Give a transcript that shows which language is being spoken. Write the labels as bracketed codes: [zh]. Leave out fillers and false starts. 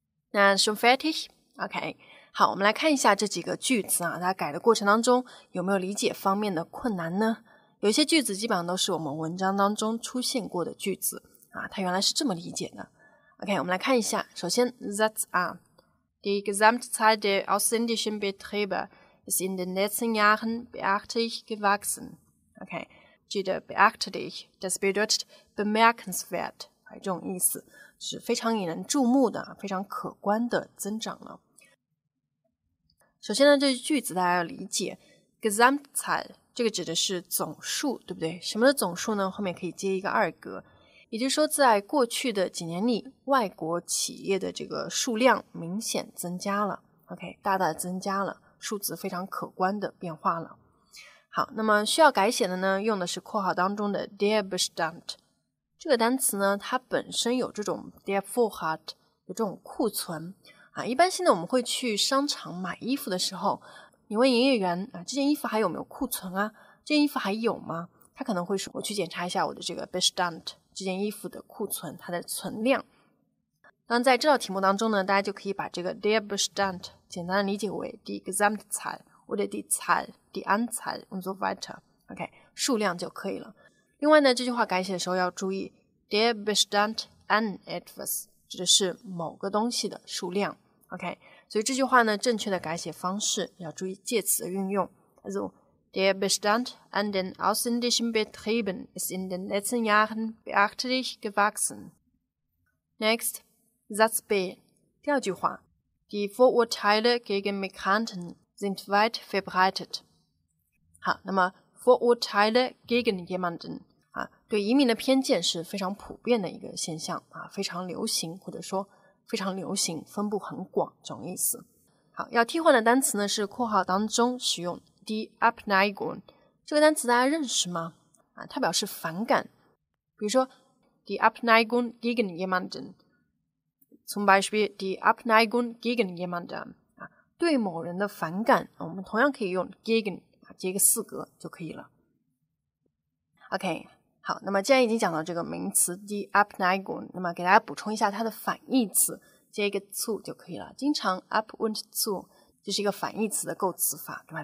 [zh] 那 [de] schon fertig? [zh] OK， 好，我们来看一下这几个句子啊，它改的过程当中有没有理解方面的困难呢？有些句子基本上都是我们文章当中出现过的句子啊，它原来是这么理解的。 OK， 我们来看一下，首先 That's are die Gesamtzahl der ausländischen Betriebe ist in den letzten Jahren beachtlich gewachsen. OK，记得 [de] beachtlich， das bedeutet bemerkenswert， [zh] 这种意思。是非常引人注目的，非常可观的增长了。首先呢，这句子大家要理解 Gesamtzahl 这个指的是总数，对不对？什么的总数呢？后面可以接一个二格，也就是说在过去的几年里外国企业的这个数量明显增加了， OK， 大大增加了，数字非常可观的变化了。好，那么需要改写的呢，用的是括号当中的 der Bestand。这个单词呢，它本身有这种 der Vorrat， 有这种库存啊。一般现在我们会去商场买衣服的时候，你问营业员啊，这件衣服还有没有库存啊？这件衣服还有吗？他可能会说，我去检查一下我的这个 Bestand， 这件衣服的库存，它的存量。那在这道题目当中呢，大家就可以把这个 der Bestand 简单的理解为 [de] die Gesamtzahl oder die Zahl, die Anzahl und so weiter. [zh] OK， 数量就可以了。另外呢，这句话改写的时候要注意 [de] der Bestand an etwas， [zh] 指的是某个东西的数量。 OK， 所以这句话呢，正确的改写方式要注意介词的运用。 [de] Also der Bestand an den ausländischen Betrieben ist in den letzten Jahren beachtlich gewachsen. [en] Next. [de] Satz B. [zh] 第二句话 [de] Die Vorurteile gegen Migranten sind weit verbreitet. [zh] 好，那么 Vorurteile gegen jemanden 啊，对移民的偏见是非常普遍的一个现象啊，非常流行，或者说非常流行，分布很广，这种意思。好，要替换的单词呢是括号当中使用 die Abneigung 这个单词大家认识吗？啊，它表示反感，比如说 [de] die Abneigung gegen jemanden。 Zum Beispiel die Abneigung gegen jemanden. [zh] 对某人的反感，我们同样可以用 gegen 接个四格就可以了。OK， 好，那么既然已经讲到这个名词 die Abneigung， 那么给大家补充一下它的反义词，接一个 zu 就可以了。经常 ab und zu 就是一个反义词的构词法，对吧？